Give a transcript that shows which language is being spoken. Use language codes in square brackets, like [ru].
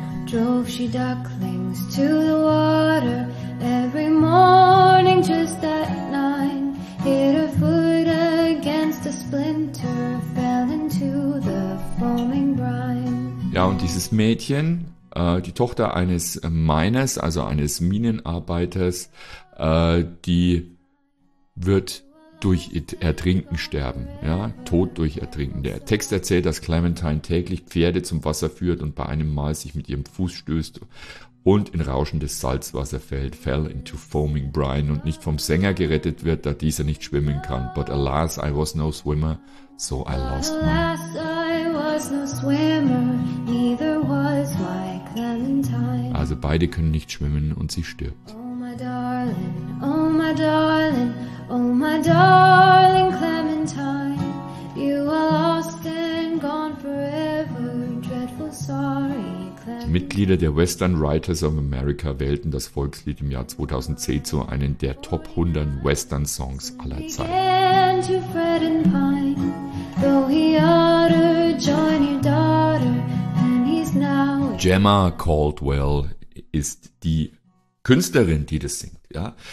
[en] Drove she ducklings to the water every morning just at nine. Hit her foot against a splinter, fell into the foaming brine. [de] Ja, und dieses Mädchen, die Tochter eines Miners, also eines Minenarbeiters, die wird durch Ertrinken sterben, ja, Tod durch Ertrinken. Der Text erzählt, dass Clementine täglich Pferde zum Wasser führt und bei einem Mal sich mit ihrem Fuß stößt und in rauschendes Salzwasser fällt, [en] fell into foaming brine [de] und nicht vom Sänger gerettet wird, da dieser nicht schwimmen kann. [en] But alas, I was no swimmer, so I lost my... Alas, I was no swimmer, neither was my Clementine. [de] Also beide können nicht schwimmen und sie stirbt. [en] Oh my darling, oh my darling Clementine, you are lost and gone forever, dreadful sorry. [de] Die Mitglieder der Western Writers of America wählten das Volkslied im Jahr 2010 zu einem der Top 100 Western Songs aller Zeiten. Gemma Caldwell ist die Künstlerin, die das singt. Ja?